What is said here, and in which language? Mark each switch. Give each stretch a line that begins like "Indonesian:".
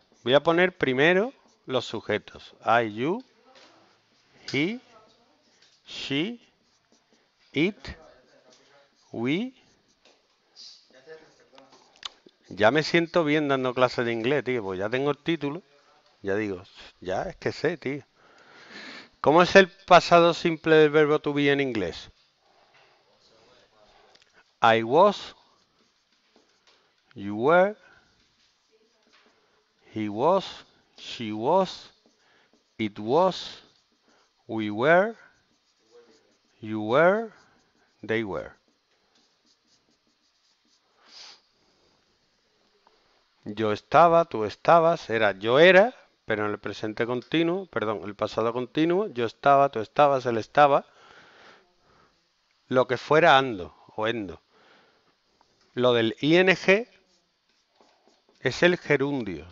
Spanish: Voy a poner primero los sujetos.
English: I, you, he, she, it, we.
Spanish: Ya me siento bien dando clases de inglés, tío, pues ya tengo el título. Ya digo, ya es que sé, tío. ¿Cómo es el pasado simple del verbo to be en inglés?
English: I was, you were, he was, she was, it was, we were, you were, they were.
Spanish: Yo estaba, tú estabas, era, yo era, pero en el presente continuo, perdón, el pasado continuo, yo estaba, tú estabas, él estaba, lo que fuera ando o endo. Lo del ing es el gerundio.